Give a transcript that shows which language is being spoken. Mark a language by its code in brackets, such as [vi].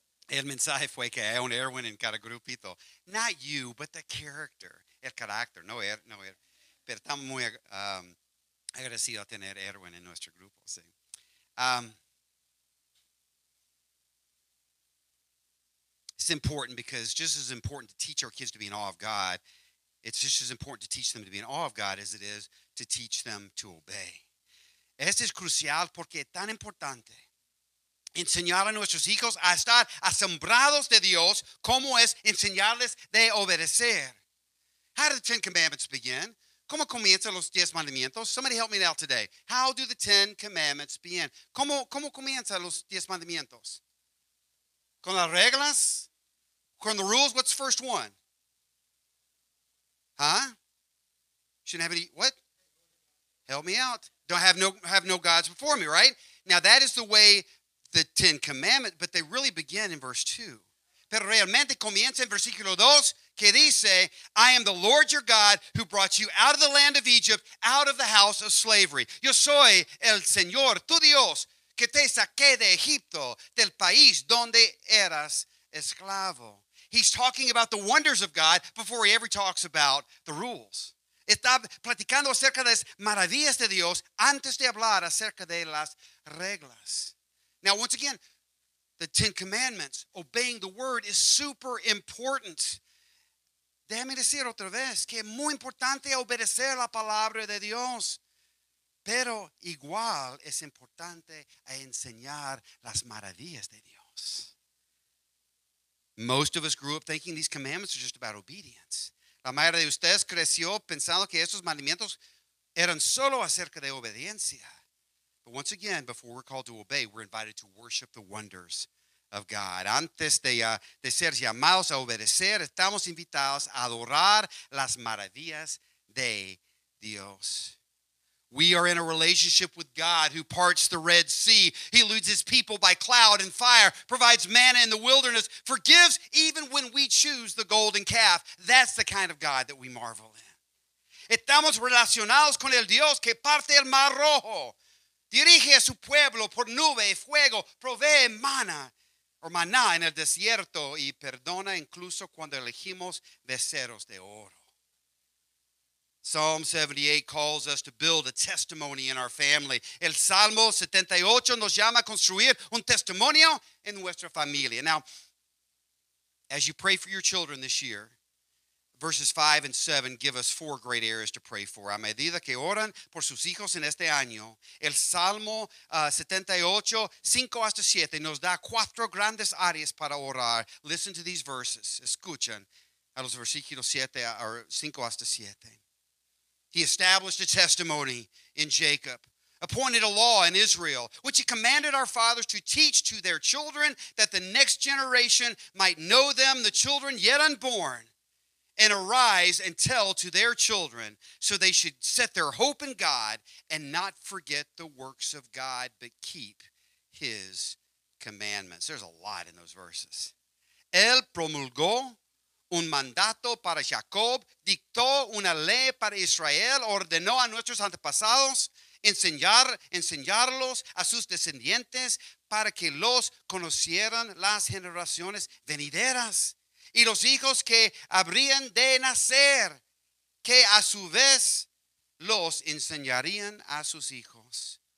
[es] El mensaje fue que hay un Irwin en cada grupito. [en] Not you, but the character. [es] El carácter. No, Irwin. Pero estamos muy agradecidos a tener Erwin en nuestro grupo, sí. [en] It's important because just as important to teach our kids to be in awe of God, it's just as important to teach them to be in awe of God as it is to teach them to obey. [es] Esto es crucial porque es tan importante enseñar a nuestros hijos a estar asombrados de Dios como es enseñarles de obedecer. [en] How do the Ten Commandments begin? [es] ¿Cómo comienzan los diez mandamientos? [en] Somebody help me out today. How do the Ten Commandments begin? [es] ¿Cómo comienzan los diez mandamientos? ¿Con las reglas? ¿Con [en] the rules? What's the first one? Huh? Shouldn't have any, what? Help me out. Don't have no gods before me, right? Now that is the way the Ten Commandments, but they really begin in verse 2. [es] Pero realmente comienza en versículo 2. Que dice, [en] I am the Lord your God who brought you out of the land of Egypt, out of the house of slavery. [es] Yo soy el Señor, tu Dios, que te saqué de Egipto, del país donde eras esclavo. [en] He's talking about the wonders of God before he ever talks about the rules. [es] Está platicando acerca de las maravillas de Dios antes de hablar acerca de las reglas. [en] Now, once again, the Ten Commandments, obeying the word is super important. [es] Déjame decir otra vez que es muy importante obedecer la palabra de Dios. Pero igual es importante enseñar las maravillas de Dios. [en] Most of us grew up thinking these commandments are just about obedience. [es] La mayoría de ustedes creció pensando que estos mandamientos eran solo acerca de obediencia. [en] But once again, before we're called to obey, we're invited to worship the wonders of God. [es] Antes de ser llamados a obedecer, estamos invitados a adorar las maravillas de Dios. [en] We are in a relationship with God who parts the Red Sea. He leads his people by cloud and fire, provides manna in the wilderness, forgives even when we choose the golden calf. That's the kind of God that we marvel in. [es] Estamos relacionados con el Dios que parte el Mar Rojo, dirige a su pueblo por nube y fuego, provee maná en el desierto y perdona incluso cuando elegimos becerros de oro. [en] Psalm 78 calls us to build a testimony in our family. [es] El Salmo 78 nos llama a construir un testimonio en nuestra familia. [en] Now, as you pray for your children this year, verses 5 and 7 give us four great areas to pray for. [es] A medida que oran por sus hijos en este año, el Salmo 78, 5 hasta 7, nos da cuatro grandes áreas para orar. [en] Listen to these verses. [es] Escuchen a los versículos 7, or 5 hasta 7. [en] He established a testimony in Jacob, appointed a law in Israel, which he commanded our fathers to teach to their children, that the next generation might know them, the children yet unborn, and arise and tell to their children, so they should set their hope in God and not forget the works of God, but keep his commandments. There's a lot in those verses. [es] Él promulgó un mandato para Jacob, dictó una ley para Israel, ordenó a nuestros antepasados enseñarlos a sus descendientes para que los conocieran las generaciones venideras y los hijos que habrían de nacer, que a su vez los enseñarían a sus hijos.